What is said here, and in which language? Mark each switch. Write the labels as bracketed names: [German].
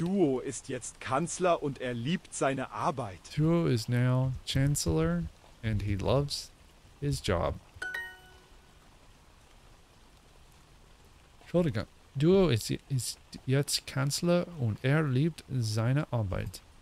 [German] Duo ist jetzt Kanzler und er liebt seine Arbeit. [English] Duo is now Chancellor and he loves his job. [German] Entschuldigung, Duo ist jetzt Kanzler und er liebt seine Arbeit.